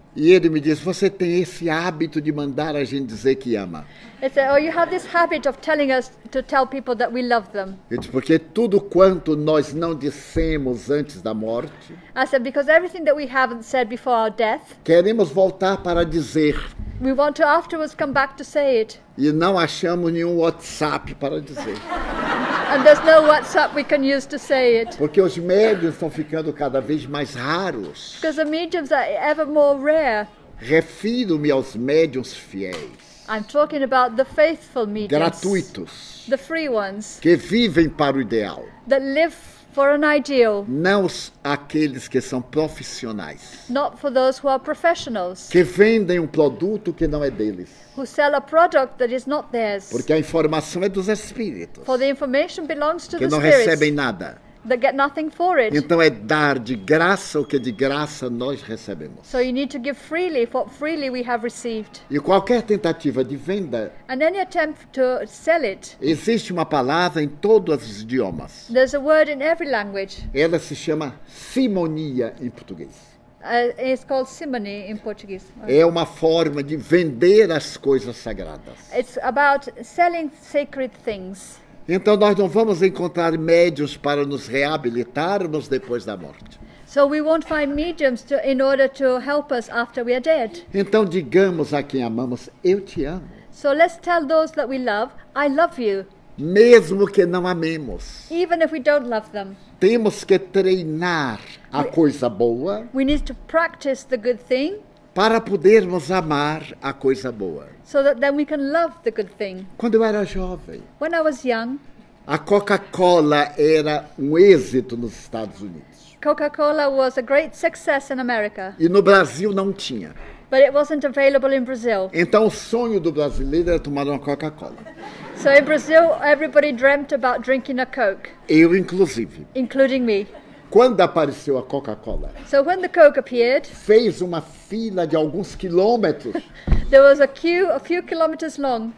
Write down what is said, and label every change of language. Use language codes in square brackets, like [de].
[pt] E ele me disse, você tem esse hábito de mandar a gente dizer que ama. [en] He said, oh, you have this habit of telling us to tell people that we love them. [pt] Eu disse, porque tudo quanto nós não dissemos antes da morte. [en] I said, because everything that we haven't said before our death. [pt] Queremos voltar para dizer. [en] We want to afterwards come back to say it. [pt] E não achamos nenhum WhatsApp para dizer. [en] And there's no WhatsApp we can use to say it. [pt] Porque os médiums estão ficando cada vez mais raros. [en] Because the mediums are ever more rare. [pt] Refiro-me aos médiums fiéis. [en] I'm talking about the faithful mediums. [pt] Gratuitos. [en] The free ones. [pt] Que vivem para o ideal. [en] That live for an ideal. [pt] Não aqueles que são profissionais. [en] Not for those who are professionals. [pt] Que vendem um produto que não é deles. [en] Who sell a product that is not theirs. [pt] Porque a informação é dos espíritos. [en] For the information belongs to the spirits. [pt] Que não recebem nada. [en] That get nothing for it. [pt] Então é dar de graça o que de graça nós recebemos. [en] So you need to give freely what freely we have received. [pt] E qualquer tentativa de venda. [en] And any attempt to sell it. [pt] Existe uma palavra em todos os idiomas. [en] There's a word in every language. [pt] Ela se chama simonia em português. [en] It's called simony in Portuguese. [pt] É uma forma de vender as coisas sagradas. [en] It's about selling sacred things. [pt] Então nós não vamos encontrar médiums para nos reabilitarmos depois da morte. [en] So we won't find mediums to, in order to help us after we are dead. [pt] Então digamos a quem amamos, eu te amo. [en] So let's tell those that we love, I love you. [pt] Mesmo que não amemos. [en] Even if we don't love them. [pt] Temos que treinar a coisa boa. [en] We need to practice the good thing. [pt] Para podermos amar a coisa boa. [en] So that then we can love the good thing. [pt] Quando eu era jovem. [en] When I was young. [pt] A Coca-Cola era um êxito nos Estados Unidos. [en] Coca-Cola was a great success in America. [pt] E no Brasil não tinha. [en] But it wasn't available in Brazil. [pt] Então o sonho do brasileiro era tomar uma Coca-Cola. [en] So in Brazil, everybody dreamt about drinking a Coke. [pt] Eu inclusive. [en] Including me. [pt] Quando apareceu a Coca-Cola? [en] So when the Coke appeared, [pt] fez uma fila de alguns quilômetros. [en] There was a queue a few kilometers long.